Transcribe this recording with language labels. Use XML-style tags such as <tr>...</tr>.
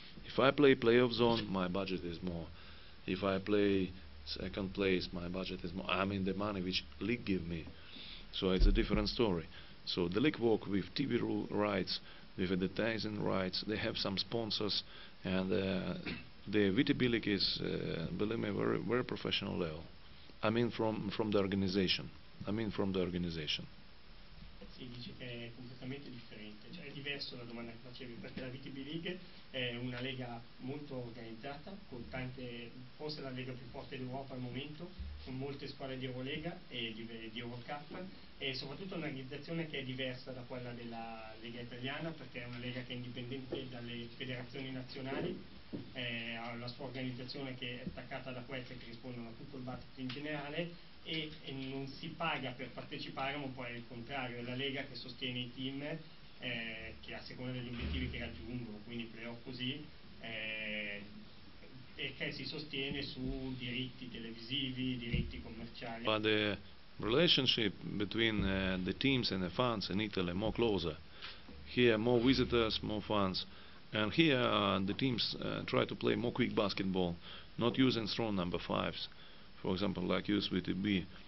<en>If I play playoff zone, my budget is more. If I play second place, my budget is more. I mean the money which league give me. So it's a different story. So the league work with TV rights, with advertising rights, they have some sponsors, and the VTB league is, believe me, very, very professional level. I mean from the organization.</en> <it>Si dice che è completamente differente, cioè è diverso la domanda che facevi, perché la VTB League è una lega molto organizzata, con tante, forse la lega più forte d'Europa al momento, con molte squadre di Eurolega e di Eurocup, e soprattutto un'organizzazione che è diversa da quella della Lega Italiana, perché è una lega che è indipendente dalle federazioni nazionali, ha la sua organizzazione che è attaccata da quelle che rispondono a tutto il basket in generale, e non si paga per partecipare, ma poi è il contrario, è la Lega che sostiene i team che a seconda degli obiettivi che raggiungono, quindi playoff così, e che si sostiene su diritti televisivi, diritti commerciali.</it> <en>But the relationship between the teams and the fans in Italy is more closer. Here more visitors, more fans, and here the teams try to play more quick basketball, not using strong number fives, for example, like use with the B.</en>